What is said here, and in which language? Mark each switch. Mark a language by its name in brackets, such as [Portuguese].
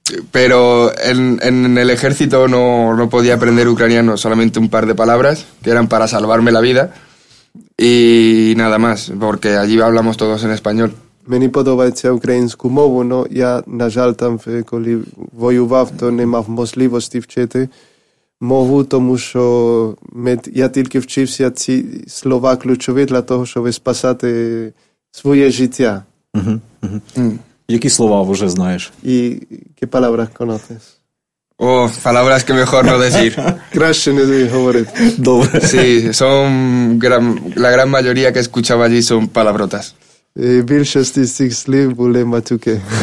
[Spanish] Pero en el ejército no podía aprender ucraniano, solamente un par de palabras, que eran para salvarme la vida. Y nada más, porque allí hablamos todos en español. [Ukrainian] Мені подобається українську мову, но я, на жаль, там, коли воював, то не мав можливості вчити мову, тому що я тільки вчився ці слова ключові для того, щоб спасати своє життя. Які слова вже знаєш? І які [Spanish] palabras conoces? О, palabras que mejor no decir. [Ukrainian] Краще не говорити. Добре. [Spanish] Sí, la gran mayoría que escuchaba allí son palabrotas. [Ukrainian] Більшості з цих слів були матюки.